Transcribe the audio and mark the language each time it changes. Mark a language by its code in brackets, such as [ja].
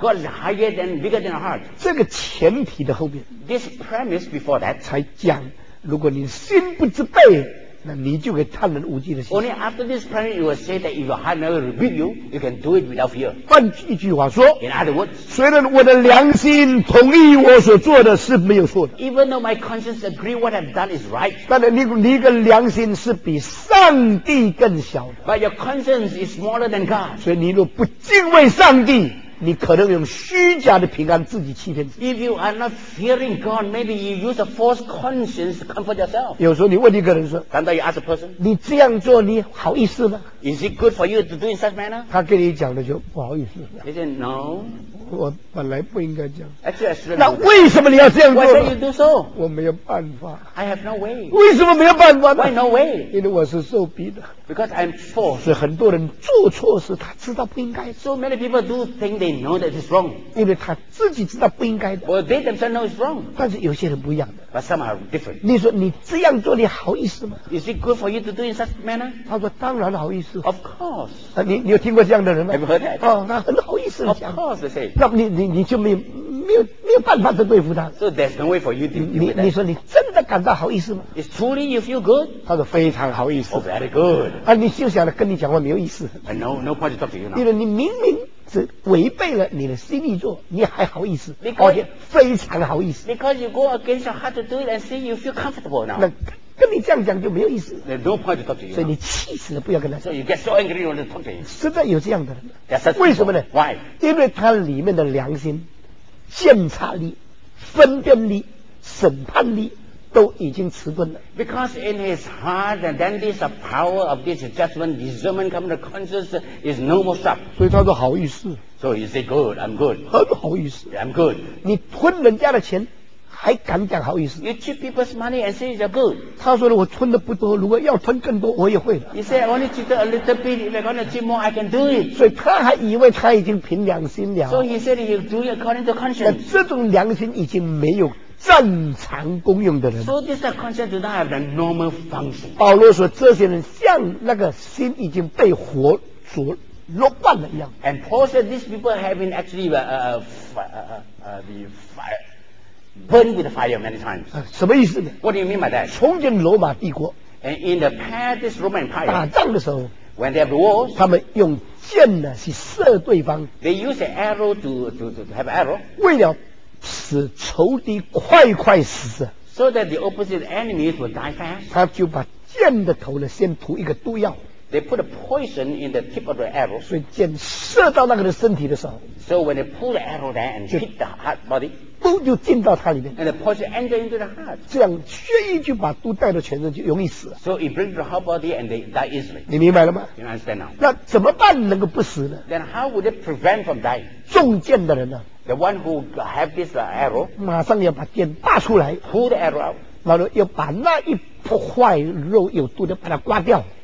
[en] God is higher than, bigger than the heart. [zh] 这个前提的后面。 [en] This premise before that. [zh] 才讲，如果你心不自备，那你就可以坦然无惧的信心。 [en] Only after this prayer, you will say that if your heart never rebuke you, you can do it without fear. [zh] 换一句话说， [en] In other words, [zh] 虽然我的良心同意我所做的是没有错的， [en] Even though my conscience agree what I've done is right, [zh] 但是你的良心是比上帝更小的， [en] But your conscience is smaller than God. [zh] 所以你若不敬畏上帝，你可能用虚假的平安自己欺骗自己。 [en] If you are not fearing God, maybe you use a false conscience to comfort yourself. [zh] 有时候你问一个人说， [en] Sometimes you ask a person, [zh] 你这样做你好意思吗？ [en] Is it good for you to do in such manner? [zh] 他跟你讲的就不好意思。 [en] He said, no. [zh] 我本来不应该这样。 [en] Actually, [zh] 那为什么你要这样做？ [en] Why should you do so? [zh] 我没有办法。 [en] I have no way. [zh] 为什么没有办法呢？ [en] Why no way? [zh] 因为我是受逼的。 [en] Because I'm forced. [zh] 所以很多人做错事他知道不应该。 [en] So many people do think they know that it's wrong. [zh] 因为他自己知道不应该的。 [en] Well, they themselves know it's wrong. [zh] 但是有些人不一样的。 [en] But some are different. [zh] 你说你这样做你好意思吗？ [en] Is it good for you to do in such manner? [zh] 他说当然好意思。 [en] Of course. [zh] 你有听过这样的人吗？ [en] Have you heard that? [zh] 哦，那很好意思的讲。 [en] Of course, they say. [zh] 那你就没有办法去对付他。 [en] So there's no way for you to do that. [zh] 你说你真的感到好意思吗？ [en] Is truly you feel good? [zh] 他说非常好意思。 [en] Oh, very good. [zh] 啊，你就想着跟你讲话没有意思。 [en] And no point to talk to you now. [zh] 因为你明明是违背了你的心意做，你还好意思。 [en] Because, [zh] 而且非常好意思。 [en] Because you go against your heart to do it and say you feel comfortable now. [zh] 那跟你这样讲就没有意思。 [en] There's no point to talk to you. [zh] 所以你气死了，不要跟他讲。 [en] So you get so angry when they talk to you. [zh] 实在有这样的人。 [en] Yes, that's true. [zh] 为什么呢？ [en] Why? [zh] 因为他里面的良心、鉴察力、分辨力、审判力都已经迟钝了。 [en] Because in his heart, then this power of this judgment, discernment, come to conscience is no more sharp. [zh] 所以他说好意思。 [en] So he say good, I'm good. [zh] 很好意思。 [en] I'm good. [zh] 你吞人家的钱。还敢讲好意思？ [en] You cheat people's money and say you're good. [zh] 他说的我吞的不多，如果要吞更多，我也会的。 [en] He said, I only cheated a little bit. If I want to cheat more, I can do it. [zh] 所以他还以为他已经凭良心了。 [en] So he said, you do it according to conscience. [zh] 那这种良心已经没有正常功用的人。 [en] So this conscience does not have the normal function. [zh] 保罗说，这些人像那个心已经被火灼烙惯了一样。 [en] And Paul said, these people have been actually the fire. Burn with fire many times. [zh] 什么意思呢？ [en] What do you mean by that? [zh] 从前罗马帝国， [en] And in the past, this Roman Empire, [zh] 打仗的时候， [en] When they have wars, [zh] 他们用箭呢去射对方， [en] They use an arrow to have arrow, [zh] 为了使仇敌快快死， [en] So that the opposite enemies will die fast, [zh] 他就把箭的头呢先涂一个毒药。 [en] They put a poison in the tip of the arrow. [zh] 所以箭射到那个人身体的时候， [en] So when they pull the arrow there and hit the heart body, [zh] 都就进到它里面。 [en] And the poison enter into the heart. [zh] 这样血液就把毒带到全身，就容易死。 [en] So it brings the whole body and they die easily. [zh] 你明白了吗？ [en] You understand now? [zh] 那怎么办能够不死呢？ [en] Then how would it prevent from dying? [zh] 中箭的人呢？ [en] The one who have this arrow. [zh] 马上要把箭拔出来。 [en] Pull the arrow out. [zh] 然后要把那一破坏肉有毒的把它刮掉。